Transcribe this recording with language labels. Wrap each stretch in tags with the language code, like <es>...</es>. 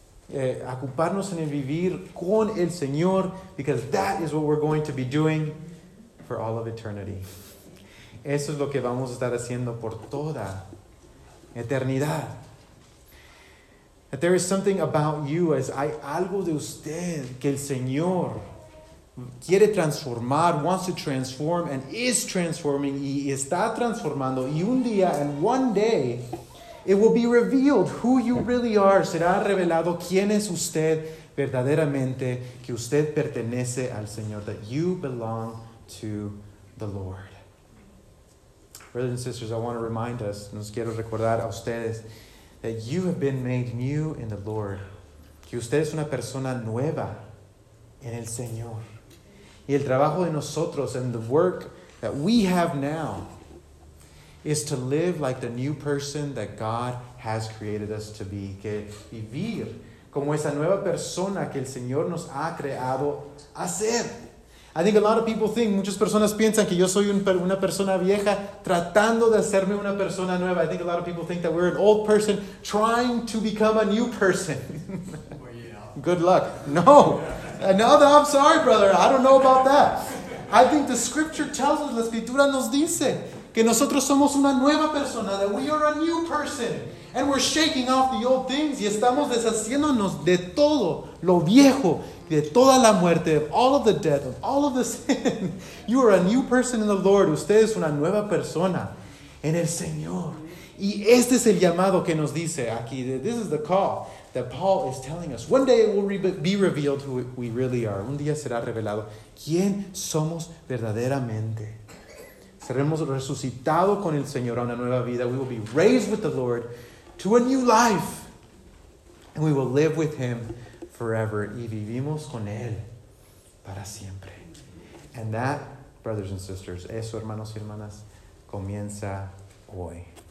<es>Ocuparnos en el vivir con el Señor,</es> <en>because that is what we're going to be doing for all of eternity.</en> <es>Eso es lo que vamos a estar haciendo por toda eternidad.</es> <en>That there is something about you, as</en> <es>hay algo de usted que el Señor quiere transformar,</es> <en>wants to transform and is transforming</en> <es>y está transformando, y un día,</es> <en>and one day, it will be revealed who you really are.</en> <es>Será revelado quién es usted verdaderamente, que usted pertenece al Señor,</es> <en>that you belong to the Lord. Brothers and sisters, I want to remind us,</en> <es>nos quiero recordar a ustedes,</es> <en>that you have been made new in the Lord.</en> <es>Que usted es una persona nueva en el Señor. Y el trabajo de nosotros</es> <en>and the work that we have now is to live like the new person that God has created us to be.</en> <es>Que vivir como esa nueva persona que el Señor nos ha creado a ser.</es> <en>I think a lot of people think,</en> <es>muchas personas piensan que yo soy una persona vieja tratando de hacerme una persona nueva.</es> <en>I think a lot of people think that we're an old person trying to become a new person. Well, yeah. Good luck. No. Yeah. No, I'm sorry, brother. I don't know about that. I think the scripture tells us,</en> <es>la escritura nos dice, que nosotros somos una nueva persona,</es> <en>that we are a new person. And we're shaking off the old things</en> <es>y estamos deshaciéndonos de todo lo viejo, de toda la muerte,</es> <en>of all of the death, of all of the sin. You are a new person in the Lord.</en> <es>Usted es una nueva persona en el Señor. Y este es el llamado que nos dice aquí.</es> <en>This is the call that Paul is telling us. One day it will be revealed who we really are.</en> <es>Un día será revelado quién somos verdaderamente. Seremos resucitados con el Señor a una nueva vida.</es> <en>We will be raised with the Lord to a new life. And we will live with him forever.</en> <es>Y vivimos con él para siempre.</es> <en>And that, brothers and sisters,</en> <es>eso, hermanos y hermanas, comienza hoy.</es>